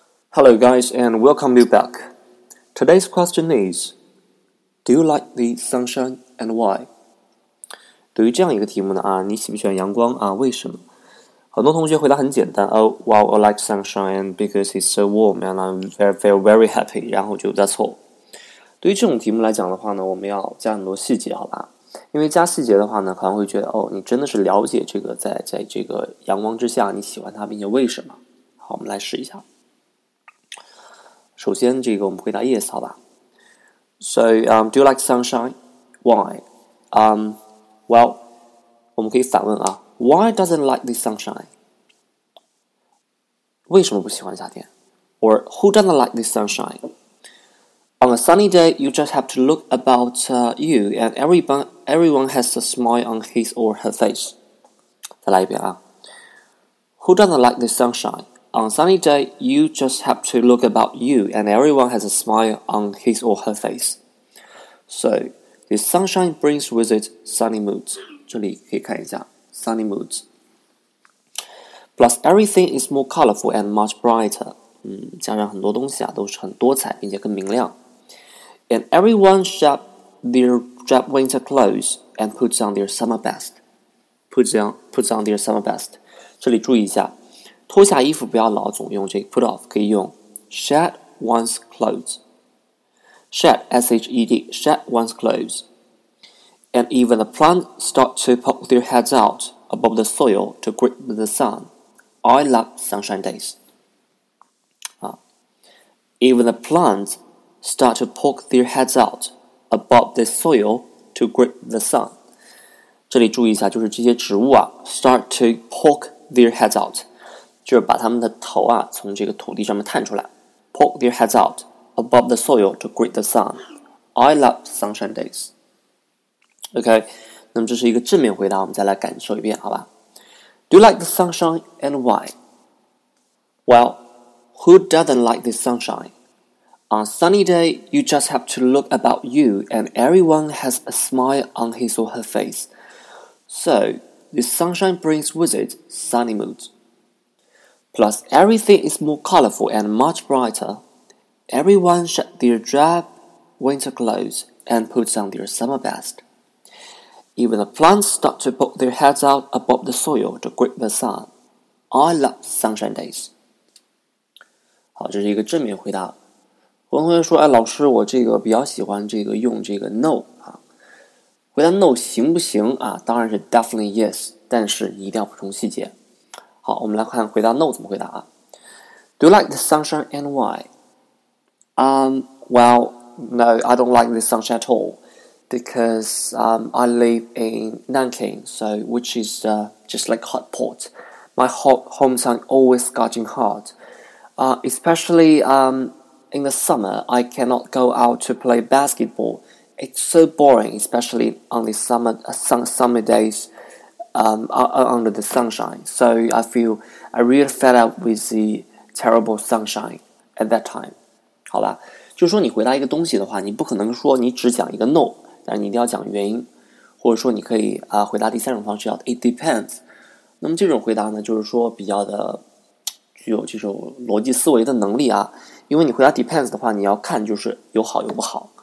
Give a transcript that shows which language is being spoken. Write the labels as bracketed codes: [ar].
[en] Hello guys, and welcome you back. Today's question is, do you like the sunshine and why? [zh] 对于这样一个题目呢，你喜不喜欢阳光啊？为什么？很多同学回答很简单， [en] Well, I like sunshine because it's so warm and I feel very happy. [zh] 然后就 [en] that's all. [zh] 对于这种题目来讲的话呢，我们要加很多细节，好吧？因为加细节的话呢，可能会觉得，你真的是了解这个在这个阳光之下你喜欢它，并且为什么？好，我们来试一下。首先，这个我们回答 yes 好吧。 [en] So, do you like sunshine? Why? [zh] Well, 我们可以反问啊。 [en] Why doesn't like the sunshine? [zh] 为什么不喜欢夏天？ [en] Or who doesn't like the sunshine? On a sunny day, you just have to look about you and everyone has a smile on his or her face. [zh] 再来一遍啊。 [en] Who doesn't like the sunshine? On a sunny day, you just have to look about you and everyone has a smile on his or her face. So, the sunshine brings with it sunny moods. [zh] 这里可以看一下。 [en] Sunny moods. Plus, everything is more colorful and much brighter. [zh] 加上很多东西啊，都是很多彩，并且更明亮。 [en] And everyone shed their drab winter clothes and puts on their summer best. Puts on their summer best. [zh] 这里注意一下，脱下衣服不要老总用这个 put off， 可以用 [en] shed one's clothes. Shed, S-H-E-D, shed one's clothes. And even the plants start to poke their heads out above the soil to greet the sun. I love sunshine days. Even the plants start to poke their heads out above the soil to greet the sun. [zh] 这里注意一下，就是这些植物啊 [en] start to poke their heads out， [zh] 就是把它们的头啊从这个土地上面探出来。 [en] Poke their heads out above the soil to greet the sun. I love sunshine days. [zh] OK， 那么这是一个正面回答，我们再来感受一遍，好吧 [en] ？Do you like the sunshine and why? Well, who doesn't like the sunshine? On a sunny day, you just have to look about you, and everyone has a smile on his or her face. So, the sunshine brings with it sunny moods. Plus, everything is more colorful and much brighter. Everyone shed their drab winter clothes and puts on their summer best. Even the plants start to poke their heads out above the soil to greet the sun. I love sunshine days. [zh] 好，这是一个正面回答。我同学说，老师，我这个比较喜欢这个用这个 no 啊。回答 no 行不行啊？当然是 [en] definitely yes， [zh] 但是你一定要补充细节。好，我们来看回答 no 怎么回答啊。 [en] Do you like the sunshine and why? Well, no, I don't like the sunshine at all. Because I live in Nanking, so which is just like hot pot. My hometown always scorching hot. Especially in the summer, I cannot go out to play basketball. It's so boring, especially on the summer days under the sunshine. So I really fed up with the terrible sunshine at that time. [zh] 好吧，就是说你回答一个东西的话，你不可能说你只讲一个 no. 但是你一定要讲原因，或者说你可以回答第三种方式叫 [en] It depends。 [zh] 那么这种回答呢，就是说比较的具有这种逻辑思维的能力啊。因为你回答 depends 的话，你要看就是有好有不好。